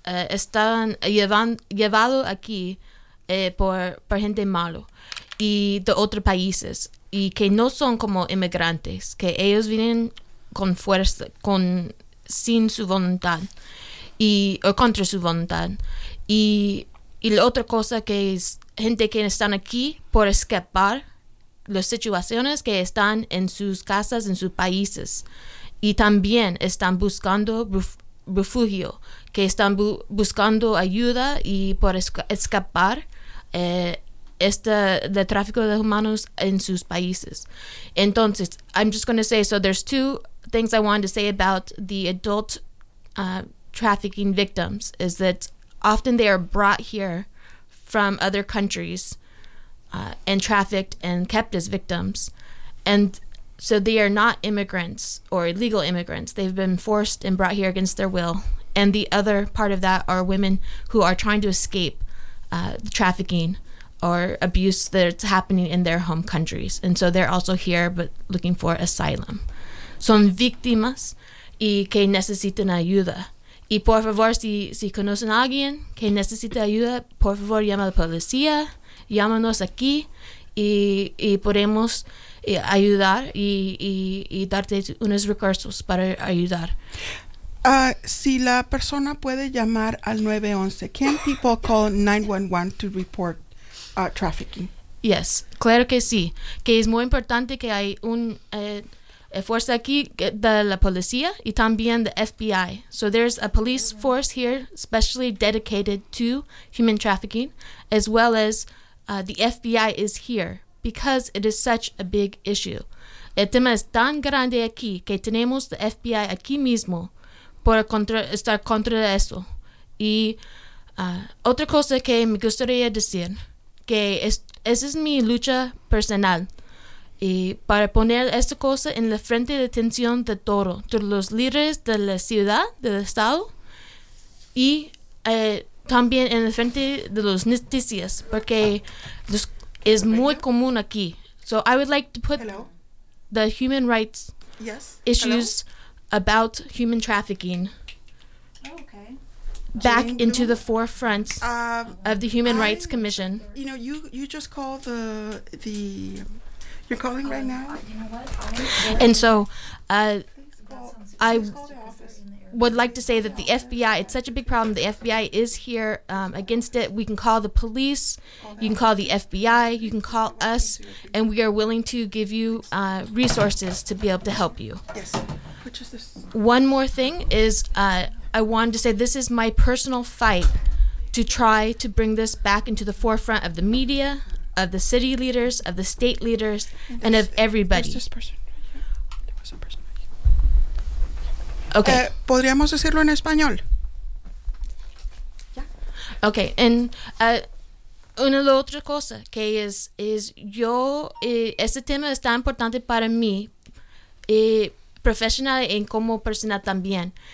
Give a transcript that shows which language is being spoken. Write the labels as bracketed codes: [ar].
[es] están llevado aquí por gente malo y de otros países y que no son como inmigrantes, que ellos vienen con fuerza, sin su voluntad y o contra su voluntad, y la otra cosa que es gente que están aquí por escapar las situaciones que están en sus casas, en sus países. Y también están buscando refugio, que están buscando ayuda y por escapar del tráfico de humanos en sus países. [en] Entonces, I'm just going to say, so there's two things I wanted to say about the adult trafficking victims, is that often they are brought here from other countries and trafficked and kept as victims. And so they are not immigrants or illegal immigrants. They've been forced and brought here against their will. And the other part of that are women who are trying to escape the trafficking or abuse that's happening in their home countries. And so they're also here, but looking for asylum. [es] Son víctimas y que necesitan ayuda. Y por favor, si conocen a alguien que necesita ayuda, por favor, llama a la policía, llámanos aquí y podemos ayudar y darte unos recursos para ayudar. Si la persona puede llamar al 911, [en] can people call 911 to report trafficking? [es] Yes, claro que sí. Que es muy importante que hay un fuerza aquí de la policía y también de FBI. [en] So there's a police force here specially dedicated to human trafficking, as well as the FBI is here. Because it is such a big issue. [es] El tema es tan grande aquí que tenemos el FBI aquí mismo por estar contra eso. Y otra cosa que me gustaría decir, que esa es mi lucha personal. Y para poner esta cosa en la frente de atención de todos los líderes de la ciudad, del estado, y también en la frente de las noticias, porque los is muy común aquí. [en] So I would like to put the human rights issues about human trafficking back into the forefront of the Human Rights Commission. You know, you just called the you're calling right now. And so I would like to say that the FBI, it's such a big problem. The FBI is here against it. We can call the police, you can call the FBI, you can call us, and we are willing to give you resources to be able to help you. Yes. Which is this? One more thing is I wanted to say this is my personal fight to try to bring this back into the forefront of the media, of the city leaders, of the state leaders, and of everybody. There's this person right here. There was a person. Okay. [es] ¿Podríamos decirlo en español? [en] Yeah. Okay, and [es] una otra cosa que es yo, este tema es tan importante para mí, profesional y como persona también.